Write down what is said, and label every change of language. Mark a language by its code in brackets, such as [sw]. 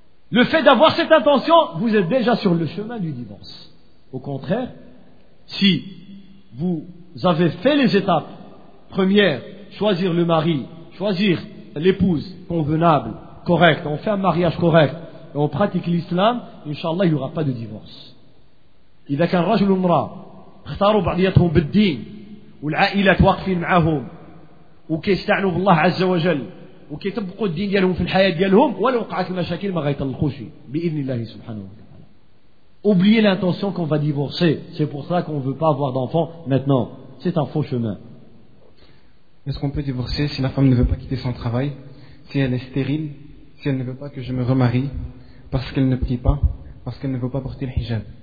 [fr] Le fait d'avoir cette intention, vous êtes déjà sur le chemin du divorce. Au contraire, si vous avez fait les étapes premières, choisir le mari, choisir l'épouse convenable, correcte, on fait un mariage correct, et on pratique l'islam, Inch'Allah, il n'y aura pas de divorce. Il n'y a qu'un rajoul umra, [ar] اختاروا بعضياتهم بالدين والعائلة واقفين معهم وكيستعنوا بالله عز وجل وكيتبقوا الدين ديالهم في الحياة ديالهم ولو وقعت المشاكل ما غيطلقوش بإذن الله سبحانه وتعالى. [fr] Oubliez l'intention qu'on va divorcer. C'est pour ça qu'on ne veut pas avoir d'enfant maintenant. C'est un faux chemin. Est-ce qu'on peut divorcer si la femme ne veut pas quitter son travail, si elle est stérile, si elle ne veut pas que je me remarie, parce qu'elle ne prie pas, parce qu'elle ne veut pas porter le hijab?